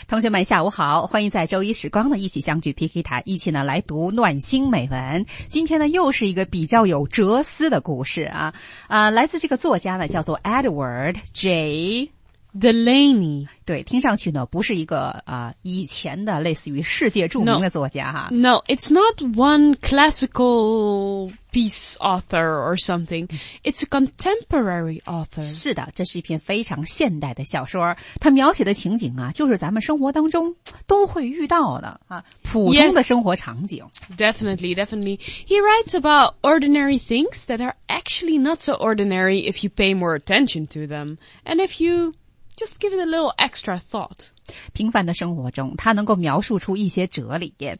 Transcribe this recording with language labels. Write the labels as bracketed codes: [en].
[zh] 同学们下午好欢迎在周一时光呢一起相聚 PK 台一起呢来读暖心美文今天呢又是一个比较有哲思的故事啊来自这个作家呢叫做 Edward J. [en] Delaney [zh] 对听上去呢不是一个以前的类似于世界著名的作家哈 [en] No, it's not one classical piece author or something. It's a contemporary author. [zh] 是的这是一篇非常现代的小说它描写的情景啊就是咱们生活当中都会遇到的啊普通的生活场景。 [en] Yes, definitely, definitely. He writes about ordinary things that are actually not so ordinary if you pay more attention to them. And if youJust give it a little extra thought. [zh] 平凡的生活中他能够描述出一些哲理。